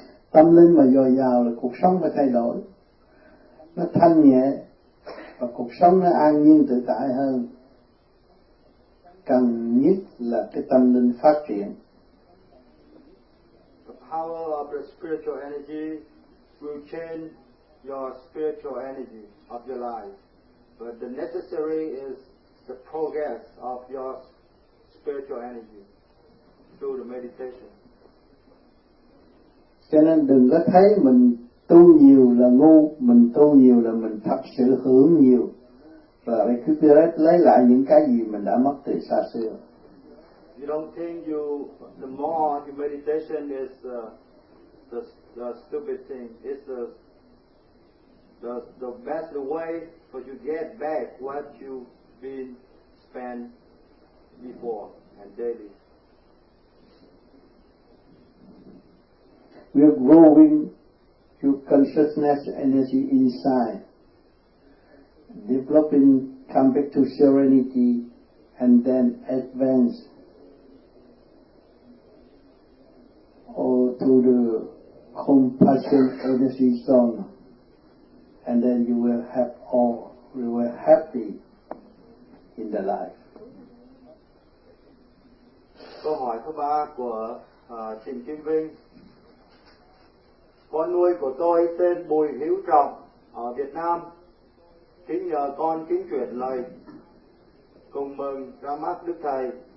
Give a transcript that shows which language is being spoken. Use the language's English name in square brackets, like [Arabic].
[Vietnamese] Tâm linh mà dồi dào là cuộc sống phải thay đổi, nó thanh nhẹ và cuộc sống nó an nhiên tự tại hơn. Cần nhất là cái tâm linh phát triển. [English] The power of the spiritual energy will change your spiritual energy of your life, but the necessary is the progress of your spiritual energy through the meditation. [Vietnamese] Cho nên đừng có thấy mình tu nhiều là ngu, mình tu nhiều là mình thật sự hưởng nhiều, và cứ lấy lại những cái gì mình đã mất từ xa xưa. [English] you don't think you the more the meditation is the stupid thing. It's the best way for you get back what you've been spent before and daily. We are growing to consciousness energy inside, developing, come back to serenity, and then advance all to the compassion energy zone, and then you will have all, you will be happy in the life. [Vietnamese] Câu hỏi thứ ba của Trịnh Kim Vinh. Con nuôi của tôi tên Bùi Hữu Trọng ở Việt Nam. Kính nhờ con kính chuyển lời cùng mừng ra mắt Đức Thầy.